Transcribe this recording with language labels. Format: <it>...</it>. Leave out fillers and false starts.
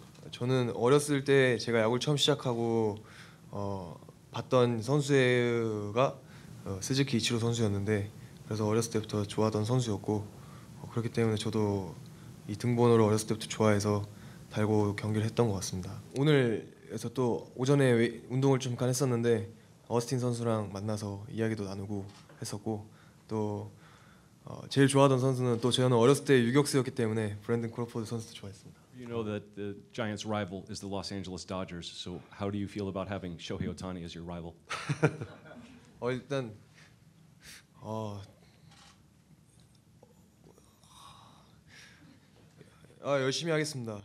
<ko>저는 어렸을 때 제가 야구를 처음 시작하고 봤던 선수가 스즈키 이치로 선수였는데 그래서 어렸을 때부터 좋아하던 선수였고 그렇기 때문에 저도 이 등번호를 어렸을 때부터 좋아해서 달고 경기를 했던 것 같습니다. 오늘에서 또 오전에 운동을 잠깐 했었는데 어스틴 선수랑 만나서 이야기도 나누고 했었고 또 제일 좋아하던 선수는 또 저는 어렸을 때 유격수였기 때문에 브랜든 크로포드 선수도 좋아했습니다.</ko> <en>You know that the Giants' rival is the Los Angeles Dodgers. So, how do you feel about having Shohei Ohtani as your rival?</en> <ko>일단 열심히 하겠습니다.</ko>